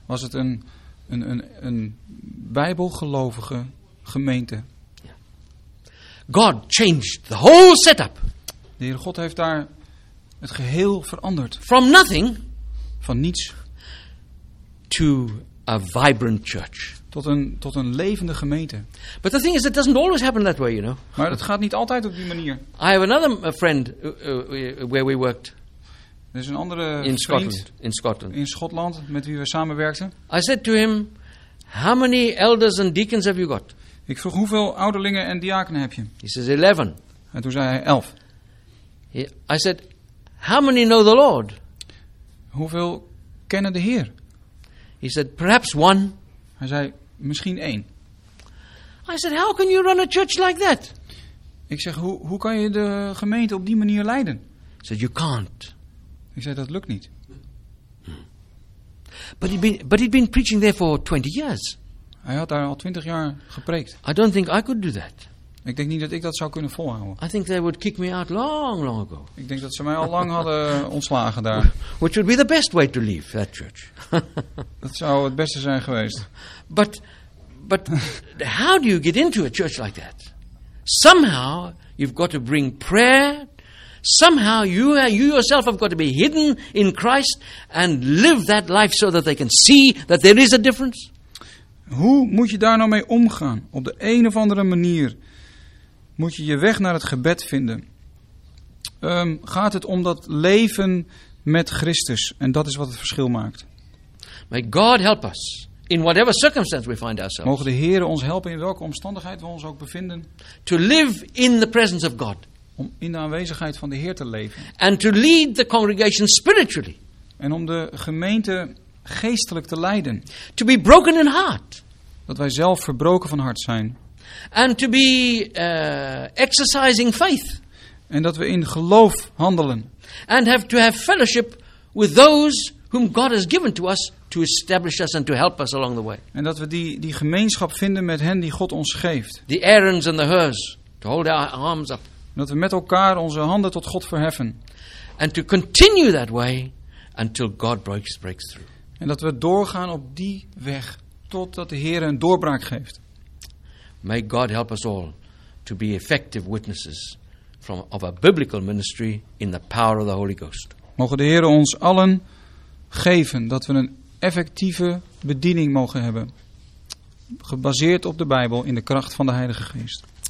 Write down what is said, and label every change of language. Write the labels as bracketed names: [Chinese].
[Dutch] Was het een bijbelgelovige gemeente. [English] God changed the whole setup. [Dutch] De Heere God heeft daar het geheel veranderd. [English] From nothing. [Dutch] Van niets. [English] To a vibrant church. [Dutch] Tot een levende gemeente. [English] But the thing is, it doesn't always happen that way, you know. [Dutch] Maar het gaat niet altijd op die manier. [English] I have another friend where we worked. [Dutch] Er is een andere [English] in Scotland. In [Dutch] Schotland, met wie we samenwerkten. [English] I said to him, how many elders and deacons have you got? [Dutch] Ik vroeg, hoeveel ouderlingen en diakenen heb je? [English] He says 11. [Dutch] En toen zei hij 11. [English] I said, how many know the Lord? [Dutch] Hoeveel kennen de Heer? [English] He said, perhaps one. [Dutch] Hij zei, misschien één. [English] I said, how can you run a church like that? [Dutch] Ik zeg, hoe kan je de gemeente op die manier leiden? [English] He said, you can't. [Dutch] Ik zei, dat lukt niet. [English] But he'd been preaching there for 20 years. [Dutch] Hij had daar al 20 jaar gepreekt. [English] I don't think I could do that. [Dutch] Ik denk niet dat ik dat zou kunnen volhouden. [English] I think they would kick me out long, long ago. [Dutch] Ik denk dat ze mij al lang hadden ontslagen daar. [English] Which would be the best way to leave that church. [Dutch] Dat zou het beste zijn geweest. [English] But how do you get into a church like that? Somehow you've got to bring prayer. somehow you yourself have got to be hidden in Christ and live that life so that they can see that there is a difference. [Dutch] Hoe moet je daar nou mee omgaan? Op de een of andere manier moet je je weg naar het gebed vinden. Gaat het om dat leven met Christus? En dat is wat het verschil maakt. [English] May God help us in whatever circumstance we find ourselves. [Dutch] Mogen de Heere ons helpen in welke omstandigheid we ons ook bevinden. [English] To live in the presence of God. [Dutch] Om in de aanwezigheid van de Heer te leven. [English] And to lead the congregation spiritually. [Dutch] En om de gemeente geestelijk te leiden. [English] To be broken in heart. [Dutch] Dat wij zelf verbroken van hart zijn. [English] And to be exercising faith. [Dutch] En dat we in geloof handelen. [English] And have to have fellowship with those whom God has given to us to establish us and to help us along the way. [Dutch] En dat we die gemeenschap vinden met hen die God ons geeft. [English] The Aarons and the Hurs to hold our arms up. [Dutch] En dat we met elkaar onze handen tot God verheffen. [English] And to continue that way until God breaks through. [Dutch] En dat we doorgaan op die weg totdat de Heer een doorbraak geeft. [English] May God help us all to be effective witnesses of a biblical ministry in the power of the Holy Ghost. [Dutch] Mogen de Heer ons allen geven dat we een effectieve bediening mogen hebben, gebaseerd op de Bijbel in de kracht van de Heilige Geest.